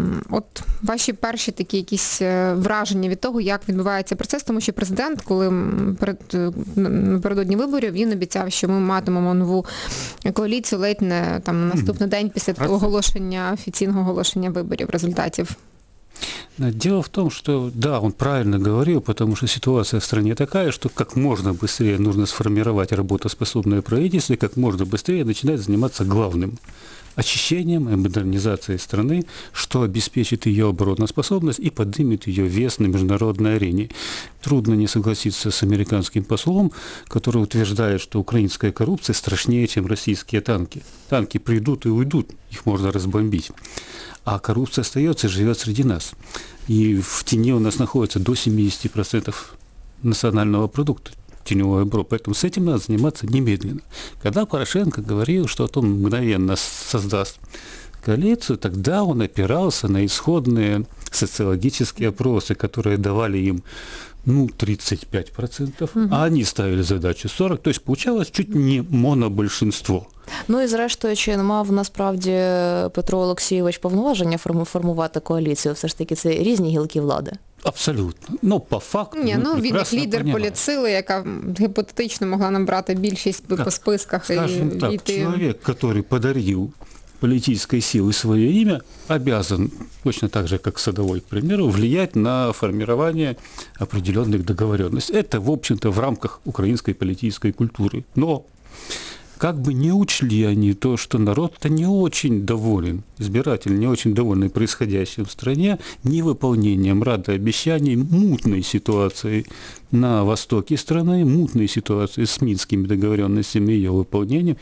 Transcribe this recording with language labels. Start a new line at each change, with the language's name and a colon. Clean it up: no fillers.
Ukrainian: От ваші перші такі якісь враження від того, як відбувається процес, тому що президент, коли напередодні виборів, він обіцяв, що ми матимемо нову коаліцію ледь не там наступний день після оголошення, офіційного оголошення виборів, результатів.
Russian: Дело в том, что да, он правильно говорил, потому что ситуация в стране такая, что как можно быстрее нужно сформировать работоспособное правительство и как можно быстрее начинать заниматься главным – очищением и модернизацией страны, что обеспечит ее обороноспособность и поднимет ее вес на международной арене. Трудно не согласиться с американским послом, который утверждает, что украинская коррупция страшнее, чем российские танки. Танки придут и уйдут, их можно разбомбить. А коррупция остается и живет среди нас. И в тени у нас находится до 70% национального продукта, теневого бро. Поэтому с этим надо заниматься немедленно. Когда Порошенко говорил, что он мгновенно создаст коалицию, тогда он опирался на исходные социологические опросы, которые давали им 35%, а они ставили задачу 40%. То есть получалось чуть не монобольшинство.
Ukrainian: Ну і зрештою, чи не мав насправді Петро Олексійович повноваження формувати коаліцію? Все ж таки це різні гілки влади. Абсолютно. Ну, по факту. Ні, ну він як лідер політсили, яка гіпотетично могла набрати більшість по списках.
Russian: Скажем так,
Ukrainian: чоловік, який подарив політичної сили своє ім'я,
Russian: обязан, точно так же, як Садовий, к примеру, влиять на формування определенних договоренностей.
Ukrainian: Це,
Russian: в общем-то,
Ukrainian: в рамках української політичної культури.
Russian: Но как бы не учли они то, что народ-то не очень доволен, избиратель не очень доволен происходящим в стране, невыполнением рады обещаний, мутной ситуацией на востоке страны, мутной ситуацией с минскими договоренностями и ее выполнением.